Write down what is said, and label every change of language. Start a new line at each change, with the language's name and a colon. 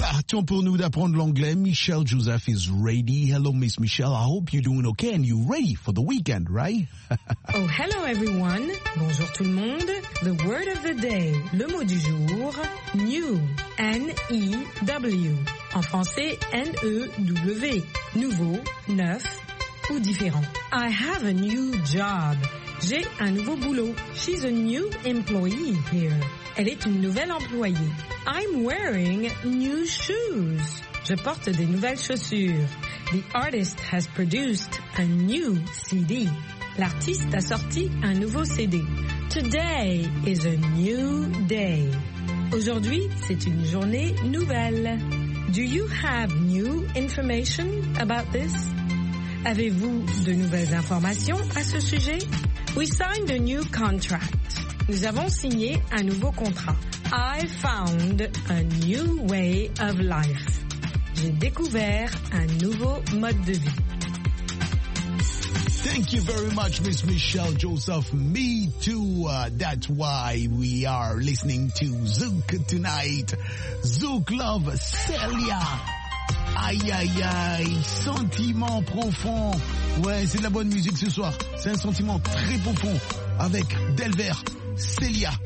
French: Temps pour nous d'apprendre l'anglais.
English: Michelle Joseph is ready. Hello, Miss Michelle. I hope you're doing okay and you're ready for the weekend, right? Oh, hello, everyone.
French: Bonjour, tout le monde.
English: The word of the day,
French: le mot du jour,
English: new, N-E-W.
French: En français, N-E-W. Nouveau, neuf ou différent.
English: I have a new job.
French: J'ai un nouveau boulot.
English: She's a new employee here.
French: Elle est une nouvelle employée.
English: I'm wearing new shoes.
French: Je porte des nouvelles chaussures.
English: The artist has produced a new CD.
French: L'artiste a sorti un nouveau CD.
English: Today is a new day.
French: Aujourd'hui, c'est une journée nouvelle.
English: Do you have new information about this?
French: Avez-vous de nouvelles informations à ce sujet?
English: We signed a new contract.
French: Nous avons signé un nouveau contrat.
English: I found a new way of life.
French: J'ai découvert un nouveau mode de vie.
English: Thank you very much, Miss Michelle Joseph. Me too. That's why we are listening to Zouk tonight. Zouk love Celia.
French: Aïe, aïe, aïe, sentiment profond. Ouais, c'est de la bonne musique ce soir. C'est un sentiment très profond avec Delver, Celia.